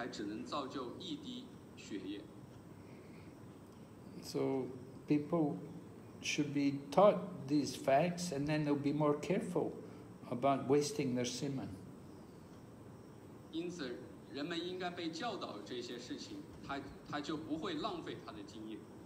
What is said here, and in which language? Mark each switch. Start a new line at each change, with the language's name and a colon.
Chinese: 而你吃30口饭，相当于才只能造就一滴血液。
English: So people should be taught these facts, and then they'll be more careful about wasting their semen.
Chinese: 因此，人们应该被教导这些事情，他就不会浪费他的精液。